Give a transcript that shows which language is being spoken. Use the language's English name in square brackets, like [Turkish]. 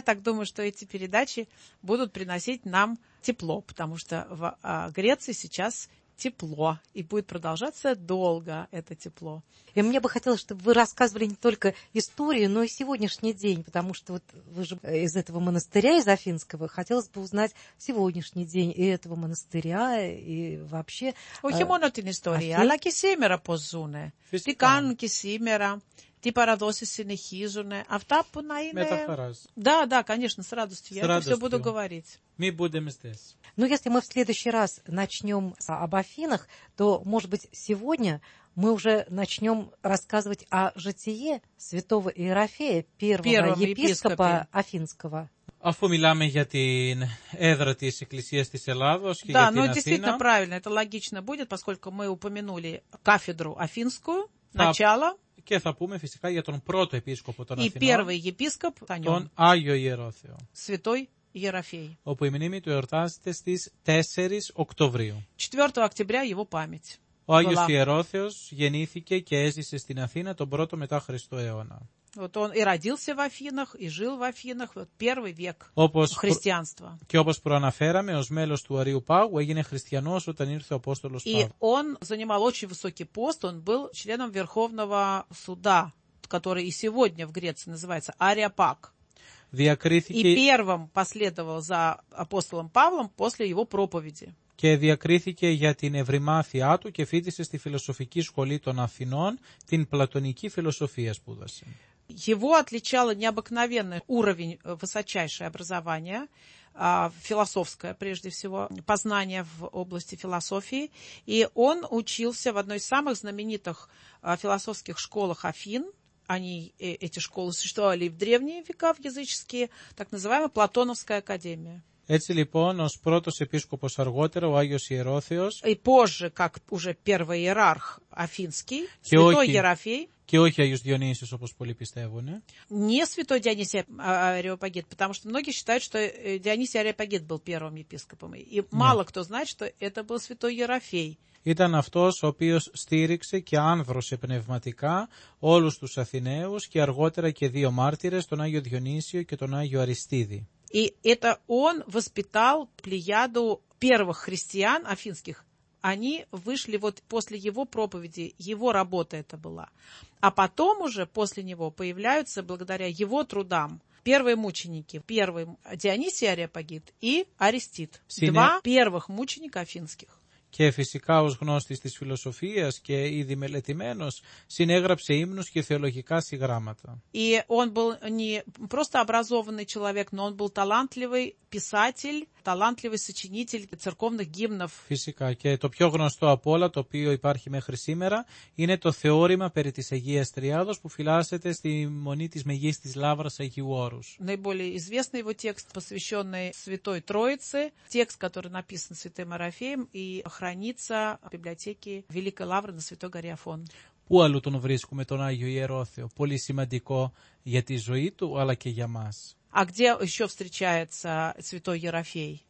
[Russian] так думаю, что эти передачи будут приносить нам тепло, потому что в Греции сейчас тепло, и будет продолжаться долго это тепло. И мне бы хотелось, чтобы вы рассказывали не только историю, но и сегодняшний день, потому что вот вы же из этого монастыря, из Афинского, хотелось бы узнать сегодняшний день и этого монастыря, и вообще... [Greek] Όχι μόνο την ιστορία, αλλά και σήμερα πώς ζουν, τι κάνουν και σήμερα... Τι παραδόσεις συνεχίζουν, αυτά που να είναι... Μεταφράζ. [Russian] Да, да, конечно, с радостью. Я это все буду говорить. Мы будем здесь. Ну, если мы в следующий раз начнем об Афинах, то, может быть, сегодня мы уже начнем рассказывать о житии святого Иерофея, первого епископа Афинского. [Greek] Αφού μιλάμε για την έδρα της Εκκλησίας της Ελλάδος και [Russian] да, [Greek] για [Russian] ну, [Greek] την Αθήνα. [Russian] Да, ну действительно правильно, это логично будет, поскольку мы упомянули кафедру Афинскую, начало. [Greek] Και θα πούμε φυσικά για τον πρώτο επίσκοπο των [Russian] и [Greek] Αθηνών. [Russian] И первый епископ, [Greek] τον Άγιο Ιερόθεο. [Russian] Святой Ерофей. [Greek] Όπου η μνήμη του εορτάζεται στις 4 Οκτωβρίου. 4 Οκτωβρίου [Russian] его память. [Greek] Ο Άγιος Ιερόθεος γεννήθηκε και έζησε στην Αθήνα τον πρώτο μετά Χριστό αιώνα. [Russian] Вот он и родился в Афинах, и жил в Афинах, вот первый век [Greek] όπως [Russian] христианства. [Greek] Και όπως προαναφέραμε, ως μέλος του Αρίου Πάγου έγινε χριστιανός όταν ήρθε ο Απόστολος Παύλος. [Russian] И он занимал очень высокий пост, он был членом Верховного Суда, который и сегодня в Греции называется Ареопаг. [Greek] Διακρίθηκε... [Russian] И первым последовал за Апостолом Павлом после его проповеди. [Greek] Και διακρίθηκε για την ευρυμάθειά του και φίτησε στη φιλοσοφική σχολή των Αθηνών, την πλατωνική φιλοσοφία σπούδασε. [Russian] Его отличало необыкновенный уровень, высочайшее образование, философское прежде всего, познание в области философии. И он учился в одной из самых знаменитых философских школ Афин. Они, эти школы существовали в древние века, в языческие, так называемая Платоновская академия. [Greek] Έτσι λοιπόν, ως πρώτος επίσκοπος αργότερα, ο Άγιος Ιερόθεος. [Russian] И позже, как уже первый иерарх Афинский, [Greek] και [Russian] святой Ерофей. [Greek] Και όχι Άγιος Διονύσης, όπως πολλοί πιστεύουν. [Russian] Не святой Дионисий Ареопагит, потому что многие считают, что Дионисий Ареопагит был первым епископом. И мало кто знает, что это был святой Ерофей. [Greek] Ήταν αυτός ο οποίος στήριξε και άνδρωσε πνευματικά όλους τους Αθηναίους και αργότερα και δύο μάρτυρες, τον Άγιο Διονύσιο και τον Άγιο Αριστίδη. [Russian] И это он воспитал плеяду первых христиан афинских. Они вышли вот после его проповеди, его работа это была. А потом уже после него появляются, благодаря его трудам, первые мученики. Первый Дионисий Ареопагит и Аристид. Синя... Два первых мученика афинских. [Greek] Και φυσικά ως γνώστης της φιλοσοφίας και ήδη μελετημένος, συνέγραψε ύμνους και θεολογικά συγγράμματα. [Russian] И он был не просто образованный человек, но он был талантливый писатель, талантливый сочинитель церковных гимнов. [Greek] Φυσικά και το πιο γνωστό από όλα το οποίο υπάρχει μέχρι σήμερα είναι το θεώρημα περί της Αγίας Τριάδος που φυλάσσεται στη Μονή της Μεγής της Λαύρας Αγίου Όρους. [Russian] Наиболее известный его текст, посвященный Святой Троице, текст, который написан святым Ерофеем и хранится в библиотеке Великой Лавры на Святой Горе Афон. [Greek] Πού αλλού τον βρίσκουμε τον Άγιο Ιερόθεο, πολύ σημαντικό για τη ζωή του, αλλά και για μας. [Russian] А где еще встречается святой Ерофей?